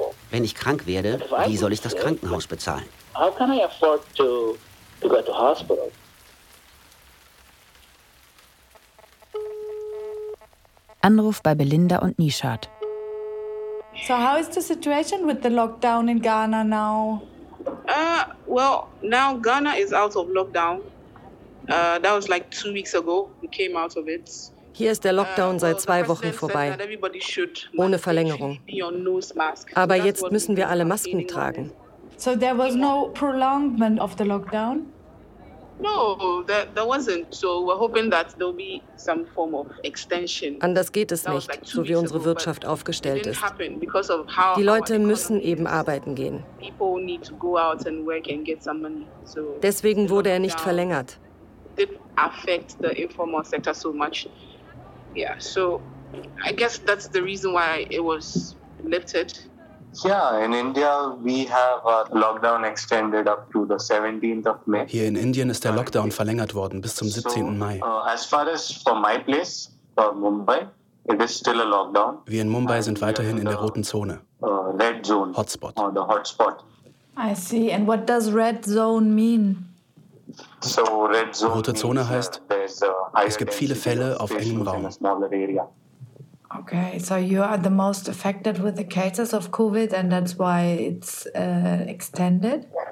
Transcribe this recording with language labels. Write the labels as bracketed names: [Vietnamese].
[German] Wenn ich krank werde, wie soll ich das Krankenhaus bezahlen? [English] How can I afford to go to hospital? [German] Anruf bei Belinda und Nishat. [English] So, how is the situation with the lockdown in Ghana now? Now Ghana is out of lockdown. That was like 2 weeks ago. We came out of it. [German] Hier ist der Lockdown seit 2 Wochen vorbei, ohne Verlängerung. Aber jetzt müssen wir alle Masken tragen. [English] So there was no prolongment of the lockdown? No, there wasn't. So we're hoping that there'll be some form of extension. [German] Anders geht es nicht, so wie unsere Wirtschaft aufgestellt ist. Die Leute müssen eben arbeiten gehen. [English] People need to go out and work and get some money. So [German] deswegen wurde er nicht verlängert. [English] Did affect the informal sector so much. Yeah, so I guess that's the reason why it was lifted. In India we have a lockdown extended up to the 17th of May. [German] Hier in Indien ist der Lockdown verlängert worden bis zum 17. Mai. [English] As far as for my place, for Mumbai, it is still a lockdown. [German] Wir in Mumbai sind weiterhin in der roten Zone. [English] Red zone. Hotspot. Or the hotspot. I see. And what does red zone mean? So red zone. [German] Rote Zone heißt, es gibt viele Fälle auf engem Raum. [English] Okay, so you are the most affected with the cases of COVID and that's why it's extended?